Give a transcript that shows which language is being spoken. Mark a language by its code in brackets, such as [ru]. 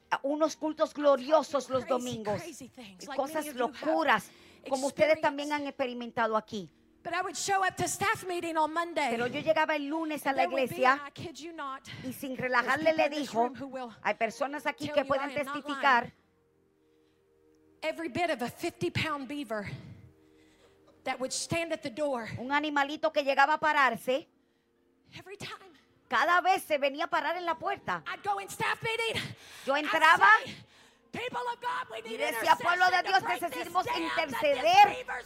[es] Unos cultos gloriosos los domingos. Cosas locuras como ustedes también han experimentado aquí. [en] But I would show up to staff meeting on Monday. [es] Pero yo llegaba el lunes a la iglesia y sin relajarle le dijo, hay personas aquí que pueden testificar. [en] Every bit of a 50-pound beaver that would stand at the door. [es] Un animalito que llegaba a pararse. [en] Every time [es] cada vez se venía a parar en la puerta. [en] I'd go in staff meeting. [es] Yo entraba [en] say, [es] y decía, pueblo de Dios, necesitamos interceder.